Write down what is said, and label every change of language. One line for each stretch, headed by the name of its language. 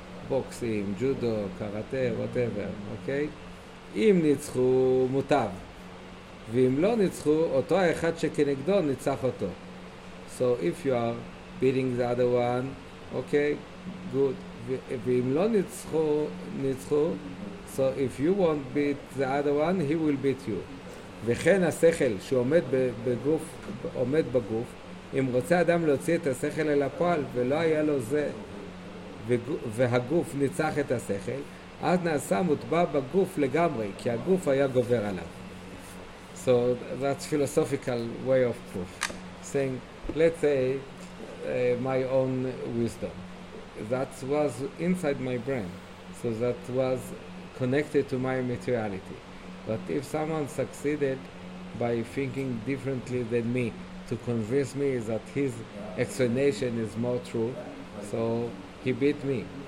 English: Boxing, judo, karate, whatever, okay?
Hebrew: אם ניצחו, מוטב. ואם לא ניצחו, אותו האחד שכנגדו ניצח אותו.
English: So if you are beating the other one, okay, good.
Hebrew: ואם לא ניצחו, ניצחו.
English: So if you won't beat the other one, he will beat you.
Hebrew: וכן השכל שעומד בגוף, עומד בגוף, אם רוצה אדם להוציא את השכל אל הפועל ולא היה לו זה, והגוף ניצח את השכל, אז נעשה מוטבע בגוף לגמרי, כי הגוף היה גובר עליו.
English: So that's philosophical way of proof. Saying, let's say my own wisdom. That was inside my brain. So that was connected to my materiality. But if someone succeeded by thinking differently than me to convince me that his explanation is more true, so he beat me.